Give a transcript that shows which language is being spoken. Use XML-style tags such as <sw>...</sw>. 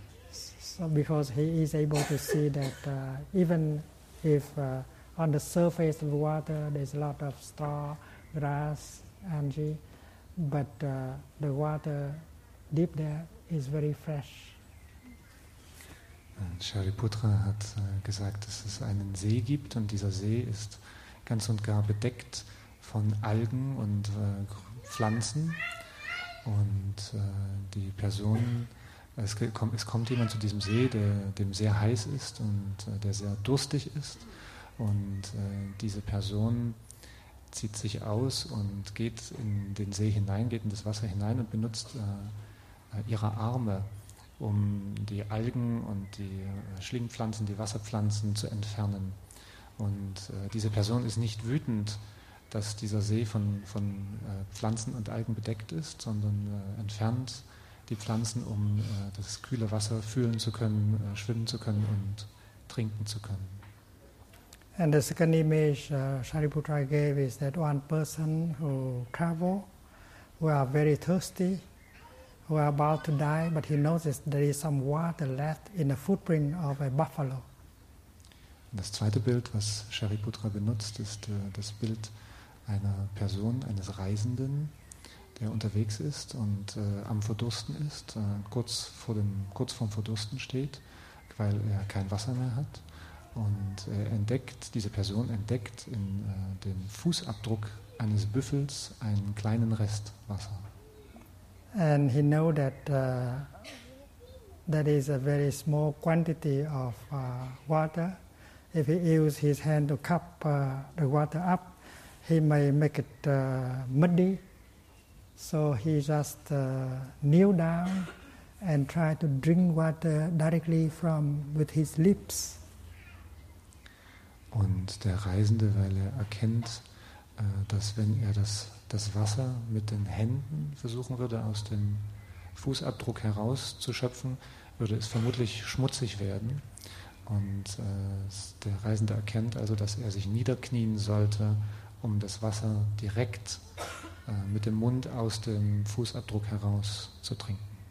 <en>So because he is able to see that even if on the surface of water there's a lot of straw, grass, algae, but the water deep there is very fresh.</en> <de>Shariputra hat gesagt, dass es einen See gibt und dieser See ist ganz und gar bedeckt von Algen und Pflanzen. Und die Person, es kommt jemand zu diesem See, dem sehr heiß ist und der sehr durstig ist. Und diese Person zieht sich aus und geht in den See hinein, geht in das Wasser hinein und benutzt ihre Arme, um die Algen und die Schlingpflanzen, die Wasserpflanzen zu entfernen. Und diese Person ist nicht wütend, dass dieser See von Pflanzen und Algen bedeckt ist, sondern entfernt die Pflanzen, um das kühle Wasser fühlen zu können, schwimmen zu können und trinken zu können.</de> <en>And the second image Shariputra gave is that one person who travel, who are very thirsty, who are about to die, but he notices there is some water left in the footprint of a buffalo.</en> <de>Das zweite Bild, was Shariputra benutzt, ist das Bild einer Person, eines Reisenden, der unterwegs ist und am Verdursten ist, kurz vorm Verdursten steht, weil er kein Wasser mehr hat. Und er entdeckt, diese Person entdeckt in dem Fußabdruck eines Büffels einen kleinen Rest Wasser.</de> <en>And he knows that that is a very small quantity of water. If he uses his hand to cup the water up, he may make it muddy. So he just kneel down and try to drink water directly from with his lips.</en> <de>Und der Reisende, weil er erkennt, dass wenn er das Wasser mit den Händen versuchen würde, aus dem Fußabdruck herauszuschöpfen, würde es vermutlich schmutzig werden. Und der Reisende erkennt also, dass er sich niederknien sollte, um das Wasser direkt mit dem Mund aus dem Fußabdruck heraus zu trinken.</de>